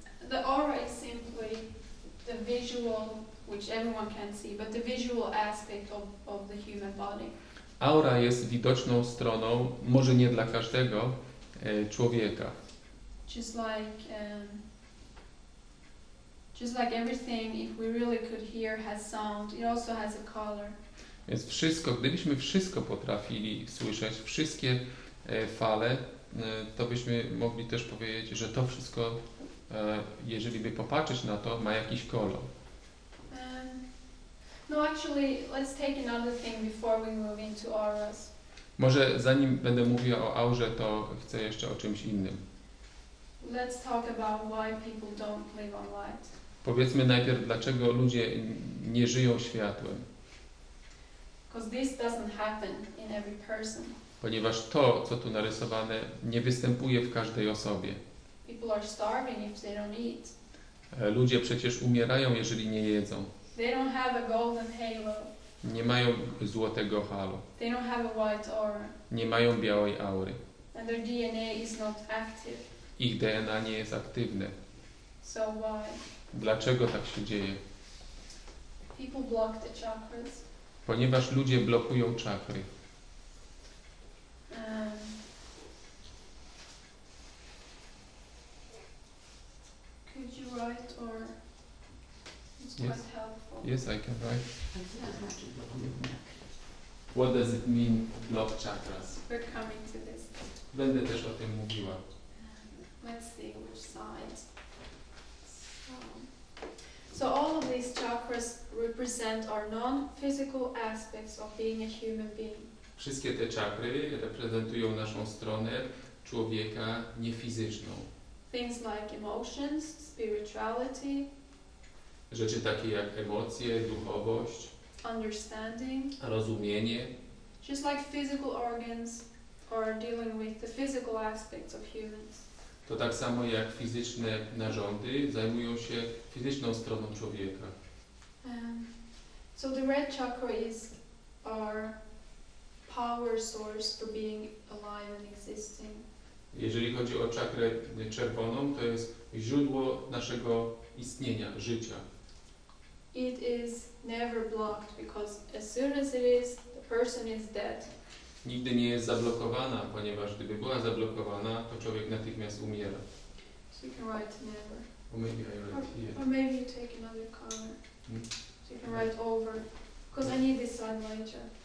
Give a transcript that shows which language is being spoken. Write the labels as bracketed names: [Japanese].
[English] The aura is simply the visual, which everyone can see, but the visual aspect of the human body. [Polish] Aura jest widoczną stroną, może nie dla każdego człowieka. [English] Just like Just like everything, if we really could hear, has sound. It also has a color. [Polish] Więc wszystko, gdybyśmy wszystko potrafili słyszeć, wszystkie fale, to byśmy mogli też powiedzieć, że to wszystko, jeżeli by popatrzeć na to, ma jakiś kolor. [English] No, actually, let's take another thing before we move into auras. [Polish] Może zanim będę mówił o aurze, to chcę jeszcze o czymś innym. [English] Let's talk about why people don't live on light. [Polish] Powiedzmy najpierw, dlaczego ludzie nie żyją światłem. [English] Because this doesn't happen in every person. [Polish] Ponieważ to, co tu narysowane, nie występuje w każdej osobie. [English] People are starving if they don't eat. [Polish] Ludzie przecież umierają, jeżeli nie jedzą. [English] They don't have a golden halo. [Polish] Nie mają złotego halo. [English] They don't have a white aura. [Polish] Nie mają białej aury. [English] And their DNA is not active. [Polish] Ich DNA nie jest aktywne. [English] So why? [Polish] Dlaczego tak się dzieje? [English] People block the chakras. [Polish] Ponieważ ludzie blokują czakry. [English] Could you write or yes. Quite helpful. Yes, I can write. What does it mean, block chakras? We're coming to this. [Polish] Będę też o tym mówiła. [English] Let's see which side. So all of these chakras represent our non-physical aspects of being a human being. [Polish] Wszystkie te czakry reprezentują naszą stronę człowieka niefizyczną. [English] Things like emotions, spirituality. [Polish] Rzeczy takie jak emocje, duchowość. [English] Understanding. [Polish] Rozumienie. [English] Just like physical organs are dealing with the physical aspects of humans. [Polish] To tak samo jak fizyczne narządy zajmują się fizyczną stroną człowieka. [English] So the red chakra is our power source for being alive and existing. [Polish] Jeżeli chodzi o czakrę czerwoną, to jest źródło naszego istnienia, życia. [English] It is never blocked because as soon as it is, the person is dead. [Polish] Nigdy nie jest zablokowana, ponieważ gdyby była zablokowana, to człowiek natychmiast umiera. [English] So you can write never. Or maybe I write here. Or maybe you take another color. So you can write over. Because I need this side later.